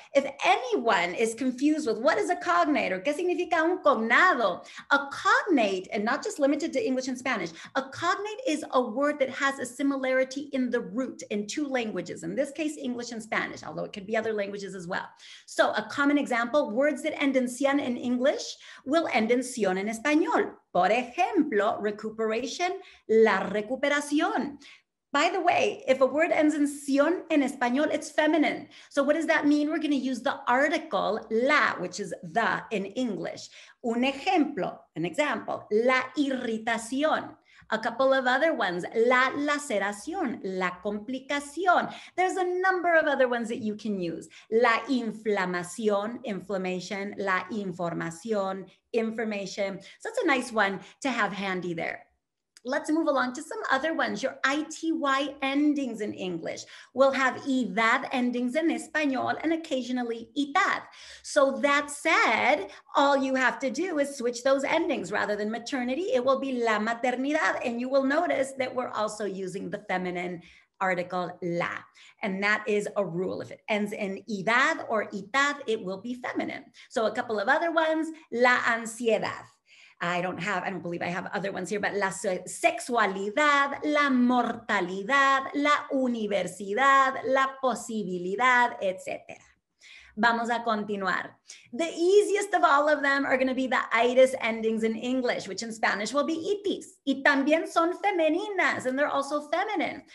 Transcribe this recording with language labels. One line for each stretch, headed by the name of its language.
English: If anyone is confused with what is a cognate or
Spanish: qué significa un cognado,
English: a cognate, and not just limited to English and Spanish, a cognate is a word that has a similarity in the root in two languages, in this case, English and Spanish, although it could be other languages as well. So a common example, words that end in cion in English will end in cion in Español.
Spanish: Por ejemplo, recuperation, la recuperación.
English: By the way, if a word ends in cion in Español, it's feminine. So what does that mean? We're going to use the article la, which is the in English.
Spanish: Un ejemplo,
English: an example,
Spanish: la irritación.
English: A couple of other ones,
Spanish: la laceración, la complicación.
English: There's a number of other ones that you can use. La inflamación, inflammation, la información, information. So that's a nice one to have handy there. Let's move along to some other ones. Your ITY endings in English will have IDAD endings in Espanol and occasionally ITAD. So that said, all you have to do is switch those endings. Rather than maternity, it will be la maternidad. And you will notice that we're also using the feminine article la. And that is a rule. If it ends in IDAD or ITAD, it will be feminine. So a couple of other ones, la ansiedad. I don't believe I have other ones here, but la sexualidad, la mortalidad, la universidad, la posibilidad, etc.
Spanish: Vamos a continuar.
English: The easiest of all of them are going to be the itis endings in English, which in Spanish will be itis.
Spanish: Y también son femeninas,
English: and they're also feminine.